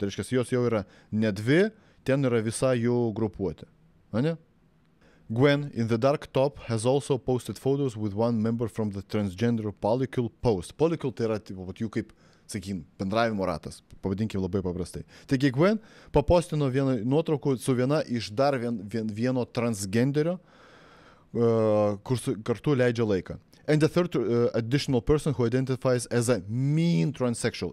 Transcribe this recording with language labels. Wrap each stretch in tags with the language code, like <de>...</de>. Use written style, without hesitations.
<lt>Tai reiškia, jos jau yra ne dvi, ten yra visa jų grupuotė. Ane?</lt> <en>Gwen, in the dark top, has also posted photos with one member from the transgender polycule post.</en> <lt>Polycule tai yra, taip, jų kaip, sakykim, bendravimo ratas. Pavadinkim labai paprastai. Taigi, Gwen papostino vieną nuotraukų su viena iš dar vieno transgenderio, kur kartu leidžia laiką.</lt> <en>And the third additional person who identifies as a mean transsexual.</en>